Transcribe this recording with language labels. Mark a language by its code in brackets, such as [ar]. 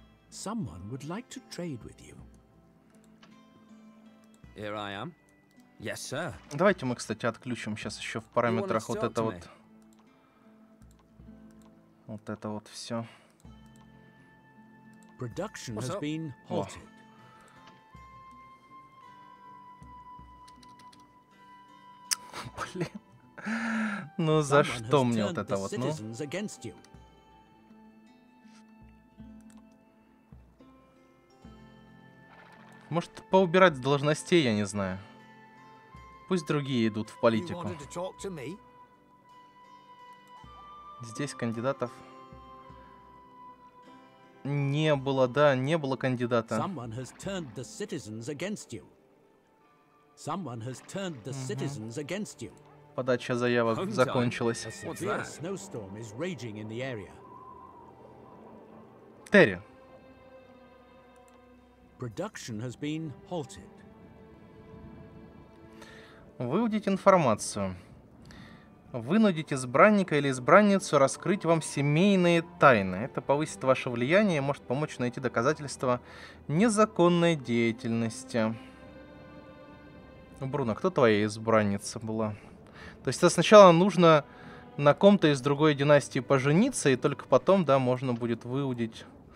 [en] Someone would like to trade with you. Here I am. Yes, sir. [ru] Давайте мы, кстати, отключим сейчас еще в параметрах вот это вот. Вот это вот все. [en] Production has been halted. [ru] Блин. Ну за что мне вот это вот, ну? Может, поубирать с должностей, я не знаю. Пусть другие идут в политику. Здесь кандидатов не было, да, не было кандидата. [en] Someone has turned the citizens against you. Someone has turned the citizens against you. [ru] Подача заявок закончилась. [en] Snowstorm is raging in the area. [ru] Терри. [en] Production has been halted. [ru] Выудить информацию. Вынудить избранника или избранницу раскрыть вам семейные тайны. Это повысит ваше влияние и может помочь найти доказательства незаконной деятельности. Бруно, кто твоя избранница была? То есть это сначала нужно на ком-то из другой династии пожениться, и только потом, да, можно будет выудить.